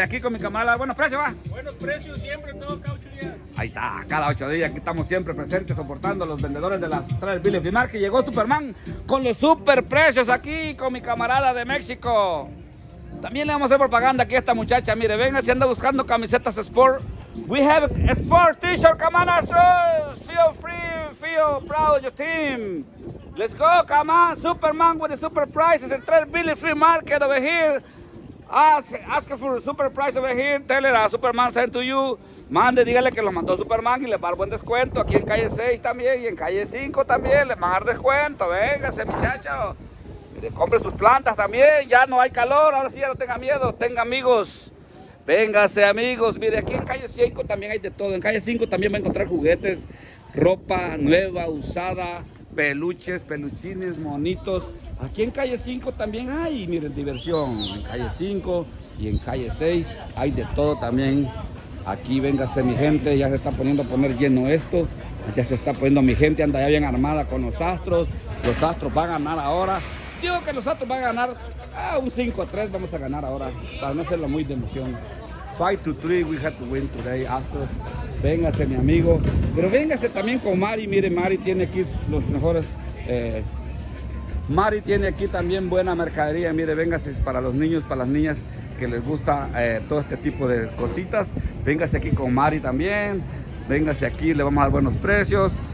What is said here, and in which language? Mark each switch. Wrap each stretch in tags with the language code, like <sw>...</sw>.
<es>Aquí con mi camarada. Buenos precios, va. Buenos precios siempre, todo cada 8 días. Ahí está, cada 8 días. Aquí estamos siempre presentes, soportando a los vendedores de las tres Billy Fimar. Que llegó Superman con los super precios aquí con mi camarada de México. También le vamos a hacer propaganda aquí a esta muchacha. Mire, véngase, anda buscando camisetas sport.</es> <en>We have a sport t-shirt, come on, Astros. Feel free, feel proud of your team. Let's go, come on, Superman with the super prices. El 3 Billy Free Market over here. Ask for a super price over here. Tell it a Superman send to you.</en> <es>Mande, dígale que lo mandó Superman y le va el buen descuento. Aquí en calle 6 también y en calle 5 también. Le va a dar descuento. Véngase, muchacho. Le compre sus plantas también. Ya no hay calor. Ahora sí, ya no tenga miedo. Tenga amigos. Véngase, amigos, mire, aquí en calle 5 también hay de todo. En calle 5 también va a encontrar juguetes, ropa nueva, usada, peluches, peluchines, monitos. Aquí en calle 5 también hay, miren, diversión. En calle 5 y en calle 6 hay de todo también. Aquí, véngase, mi gente, ya se está poniendo a poner lleno esto. Ya se está poniendo mi gente, anda ya bien armada con los Astros. Los Astros van a ganar ahora. Digo que los Astros van a ganar. Ah, un 5-3 vamos a ganar ahora, para no hacerlo muy de emoción.</es> <en>5-3, we have to win today, Astros.</en> <es>Véngase, mi amigo. Pero véngase también con Mari. Mire, Mari tiene aquí los mejores. Mari tiene aquí también buena mercadería. Mire, véngase, es para los niños, para las niñas que les gusta todo este tipo de cositas. Véngase aquí con Mari también. Véngase aquí, le vamos a dar buenos precios.</es>